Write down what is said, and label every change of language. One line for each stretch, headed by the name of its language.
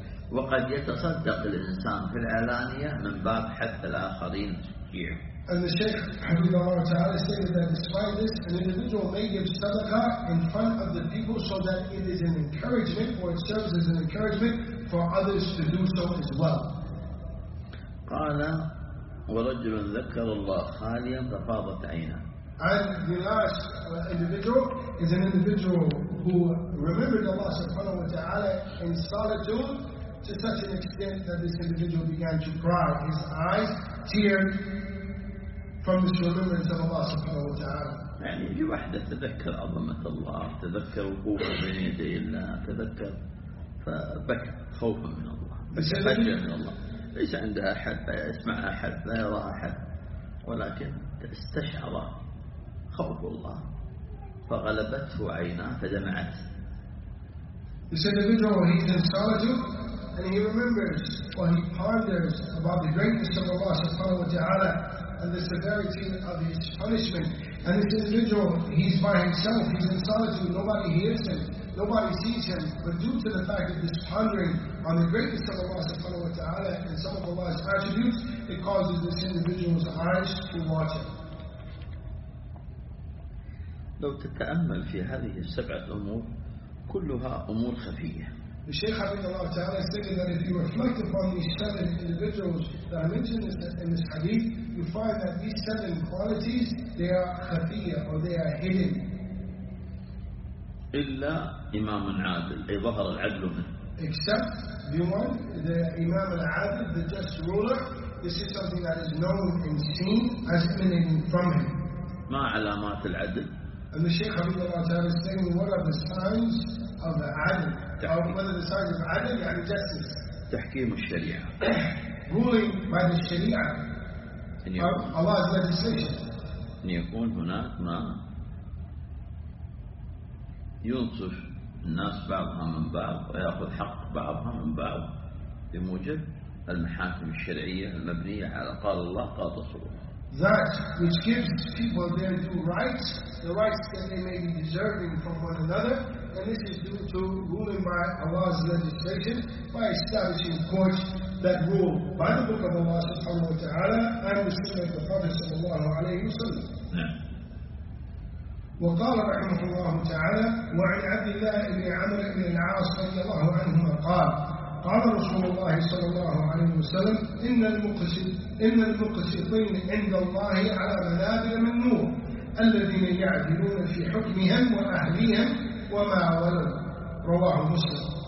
Arabic: وقد يتصدق الإنسان في العلانية من باب حتى الآخرين يشجعوا.
English: And the Shaykh Habib Allah Ta'ala stated that despite this, an individual may give sadaqah in front of the people so that it is an encouragement or it serves as an encouragement for others to do so as well.
Arabic: قال ورجل ذكر الله خاليا ففاضت عينه.
English: And the last individual is an individual who remembered Allah subhanahu wa ta'ala in solitude to such an extent that this individual began to cry, his eyes teared from the remembrance of Allah subhanahu wa ta'ala.
Arabic: يعني في واحدة تذكر عظمة الله, تذكر قوة بين يدي الله, تذكر فبكى خوفا من الله, فجأة من الله, ليس عندها أحد, لا يسمع أحد, لا يرى أحد, ولكن استشعر خوف الله فغلبته عيناه فدمعت.
English: This individual, he is in solitude and he remembers or he ponders about the greatness of Allah subhanahu wa ta'ala and the severity of his punishment. And this individual, he's by himself, he's in solitude, nobody hears him, nobody sees him, but due to the fact of this pondering on the greatness of Allah subhanahu wa ta'ala and some of Allah's attributes, it causes this individual's eyes to water.
Arabic: لو تتأمل في هذه السبعة أمور كلها أمور خفية.
English: The Shaykh Habib Allah Ta'ala stated that if you reflect upon these seven individuals that are mentioned in this hadith, you find that these seven qualities, they are khafiyah or they are hidden.
Arabic: إلا إمام عادل, أي ظهر العدل منه.
English: Except the one, the Imam al-Adil, the just ruler, this is something that is known and seen as emanating from him.
Arabic: ما علامات العدل؟
English: And the Shaykh Habib Allah Ta'ala is saying, what are the signs of the adil? What are the signs of adil? يعني justice.
Arabic: تحكيم الشريعة.
English: Ruling by the Sharia. Allah's legislation.
Arabic: أن يكون هناك ما ينصف الناس بعضها من بعض ويأخذ حق بعضها من بعض بموجب المحاكم الشرعية المبنية على قال الله قال رسوله.
English: That which gives people their due rights, the rights that they may be deserving from one another, and this is due to ruling by Allah's legislation by establishing courts that rule by the book of Allah subhanahu wa ta'ala and the sunnah of the Prophet sallallahu alayhi wa sallam.
Arabic: وقال رحمه الله تعالى وعن عبد الله بن عمرو بن العاص رضي الله عنهما قال قال رسول الله صلى الله عليه وسلم إن المقسطين عند الله على منابر من نور الذين يعدلون في حكمهم وأهليهم وما ولوا رواه مسلم